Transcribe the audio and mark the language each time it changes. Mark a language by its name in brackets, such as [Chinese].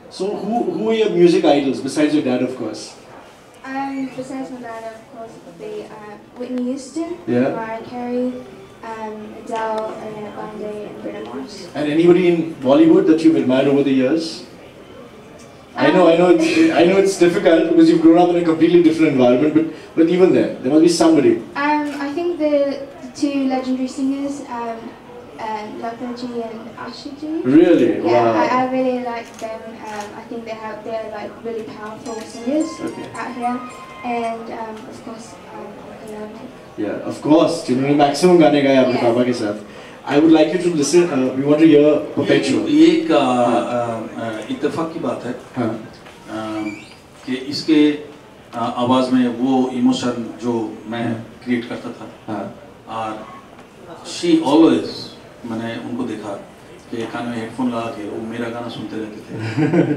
[English] So who are your music idols besides your dad of course. Besides my dad of course it be Whitney Houston, Mariah Carey, Adele, Ariana Grande and Bruno Mars. And anybody in Bollywood that you have admired over the years. I know it's difficult because you've grown up in a completely different environment, but even there must be somebody. I think the two legendary singers, Lata Ji and Asha Ji. Really? Yeah, wow. I really like them. I think they're like really powerful singers. Okay. Out here. And of course, yeah, of course. [Hindi] तुमने maximum गाने गाए अपने पापा के साथ. [English] I would like you to listen. We want to hear Perpetual. [Hindi] ये एक इत्तेफाक की बात है कि इसके आवाज में वो इमोशन जो मैं क्रिएट करता था. और [English] she always [Hindi] मैंने उनको देखा कि कान में हेडफोन लगा के वो मेरा गाना सुनते रहते थे.